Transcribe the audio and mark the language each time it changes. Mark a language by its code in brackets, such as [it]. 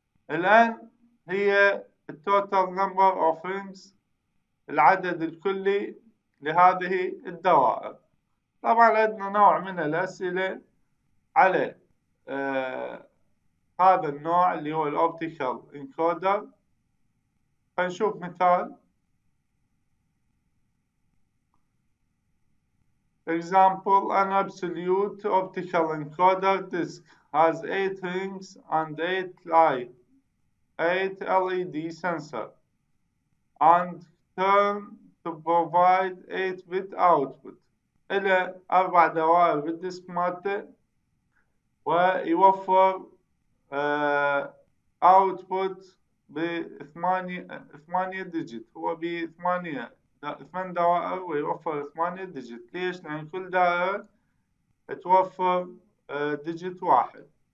[ar] الان هي [en] التوتال number of rings, [ar] العدد الكلي لهذه الدوائر. طبعا عندنا نوع من الأسئلة على هذا النوع اللي هو الـ Optical Encoder، فنشوف مثال. [en] Example, an absolute optical encoder disk has 8 rings and 8 light, 8 LED sensor, and turn to provide 8-bit output. [ar] إلى 4 دوائر في الديسك مالته ويوفر output بثمانية ديجيت، هو بثمانية 8 دوائر ويوفر 8 ديجيت. ليش؟ لأن كل دائرة توفر ديجيت واحد.